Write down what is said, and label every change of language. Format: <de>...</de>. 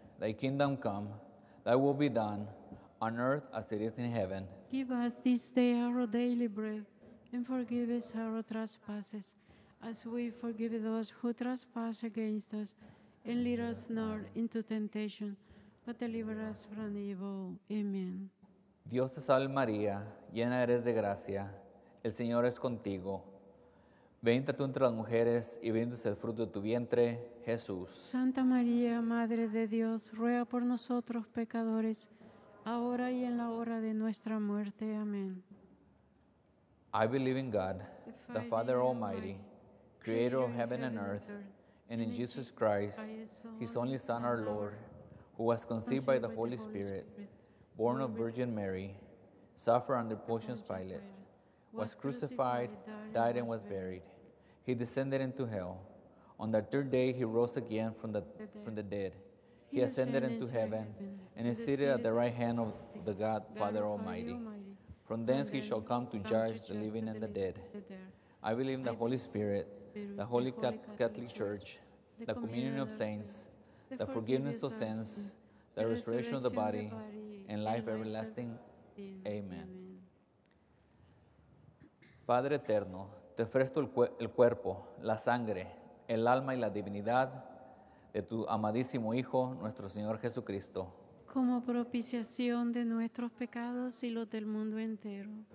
<en>Thy kingdom come, thy will be done, on earth as it is in heaven. Give us this day our daily bread, and forgive us our trespasses, as we forgive those who trespass against us. And lead us not into temptation, but deliver us from evil. Amen.</en> <es>Dios te salve María, llena eres de gracia, el Señor es contigo. Bendita tú entre las mujeres y bendito es el fruto de tu vientre, Jesús. Santa María, Madre de Dios, ruega por nosotros pecadores, ahora y en la hora de nuestra muerte. Amén.</es> <en>I believe in God, the Father Almighty, creator of heaven and earth, and in Jesus Christ, his only Son, our Lord, who was conceived by the Holy Spirit, born of Virgin Mary, suffered under Pontius Pilate, was crucified, died, and was buried. He descended into hell. On the third day, he rose again from the dead. He ascended into heaven and is seated at the right hand of the God, Father Almighty. From thence he shall come to judge the living and the dead. I believe in the Holy Spirit, the Holy Catholic Church, the communion of saints, the forgiveness of sins, the resurrection of the body, and life everlasting. Amen.</en> <es>Padre eterno, te ofrezco el cuerpo, la sangre, el alma y la divinidad de tu amadísimo Hijo, nuestro Señor Jesucristo. Como propiciación de nuestros pecados y los del mundo entero.</es>